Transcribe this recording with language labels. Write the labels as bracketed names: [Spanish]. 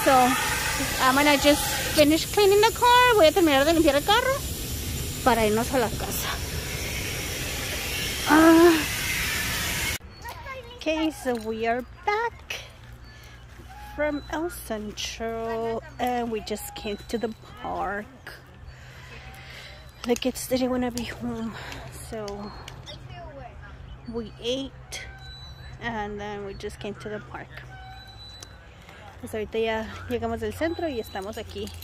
[English] So I'm going to just finish cleaning the car. [Spanish] Voy a terminar de limpiar el carro para irnos a la casa. [English] Okay, so we are back from El Centro and we just came to the park. The kids didn't want to be home, so we ate and then we just came to the park. [Spanish] Pues ahorita ya llegamos del centro y estamos aquí.